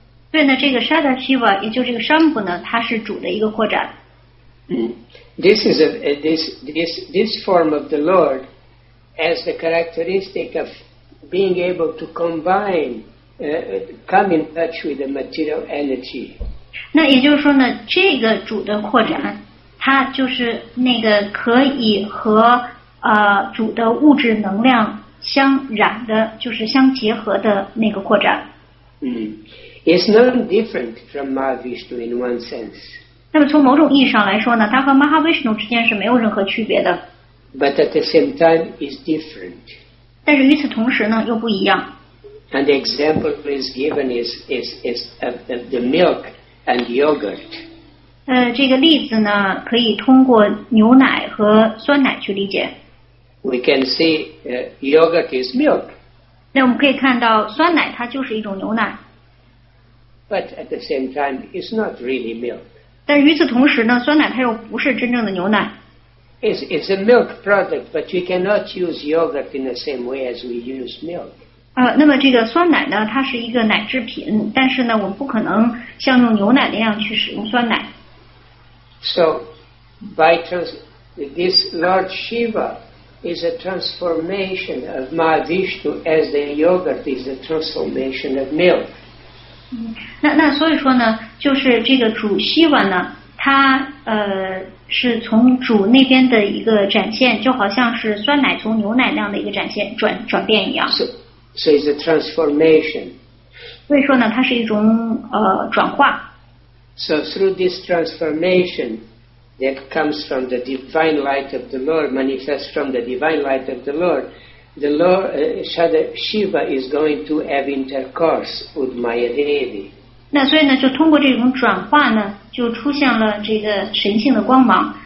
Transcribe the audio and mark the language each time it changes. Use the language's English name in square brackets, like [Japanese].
[Chinese] 对呢，这个 Sada Shiva 也就是这个 Shambhu 呢，它是主的一个扩展。 [English] This form of the Lord has the characteristic of. Being able to combine, come in touch with the material energy. [Chinese] 那也就是说呢，这个主的扩展，它就是那个可以和主的物质能量相染的，就是相结合的那个扩展。 [English] It's not different from Mahavishnu in one sense. [Chinese] 那么从某种意义上来说呢，它和 Mahavishnu 之间是没有任何区别的。 [English] But at the same time, is different. [Chinese] 但是与此同时呢，又不一样。 [English] And the example is given is of the milk and yogurt. [Chinese] 这个例子呢，可以通过牛奶和酸奶去理解。 [English] We can see yogurt is milk. [Chinese] 那我们可以看到，酸奶它就是一种牛奶。 [English] But at the same time, it's not really milk. [Chinese] 但与此同时呢，酸奶它又不是真正的牛奶。 [English] It's a milk product, but you cannot use yogurt in the same way as we use milk. [Chinese] 那么这个酸奶呢，它是一个奶制品，但是呢，我们不可能像用牛奶那样去使用酸奶。 [English] So, by this Lord Shiva is a transformation of Mahavishnu as the yogurt is a transformation of milk. [Chinese] 那所以说呢，就是这个主希瓦呢，它是从主那边的一个展现，就好像是酸奶从牛奶那样的一个展现转变一样。 [English] So it's a transformation. [Chinese] 所以说呢，它是一种转化。 [English] So through this transformation that comes from the divine light of the Lord, manifests from the divine light of the Lord, the Lord Shiva is going to have intercourse with Maya Devi. [Chinese] 那所以呢，就通过这种转化呢，就出现了这个神性的光芒。